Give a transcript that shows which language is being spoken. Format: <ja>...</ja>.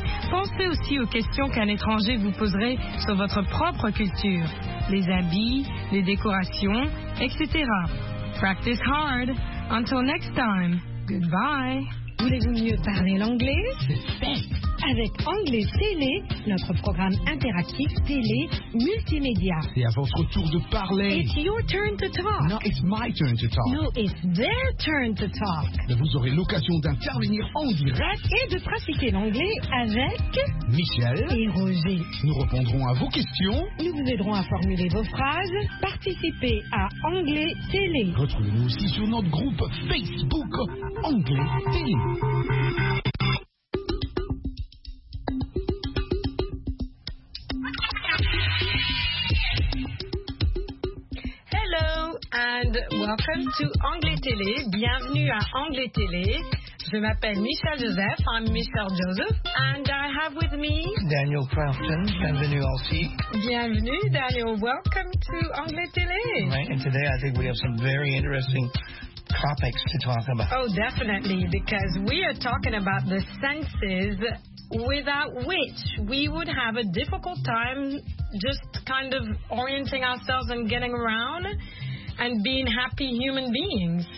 <fr>Pensez aussi aux questions qu'un étranger vous poserait sur votre propre culture, les habits, les décorations, etc.</fr> <en>Practice hard. Until next time. Goodbye.</en> <fr>Voulez-vous mieux parler l'anglais? avec Anglais Télé, notre programme interactif télé multimédia. C'est à votre tour de parler.</fr> <en>It's your turn to talk. No, it's my turn to talk. No, it's their turn to talk.</en> <fr>Et vous aurez l'occasion d'intervenir en direct et de pratiquer l'anglais avec Michel et Roger. Nous répondrons à vos questions. Nous vous aiderons à formuler vos phrases. Participez à Anglais Télé. Retrouvez-nous aussi sur notre groupe Facebook Anglais Télé.</fr> <en>Hello and welcome to Anglais Télé.</en> <fr>Bienvenue à Anglais Télé. Je m'appelle Michel Joseph.</fr> <en>I'm Mr. Joseph. And I have with me</en> <fr>Daniel Crafton. Bienvenue aussi. Bienvenue, Daniel.</fr> <en>Welcome to Anglais Télé. Right, and today I think we have some very interesting topics to talk about. Oh, definitely, because we are talking about the senses without which we would have a difficult time just kind of orienting ourselves and getting around and being happy human beings.</en>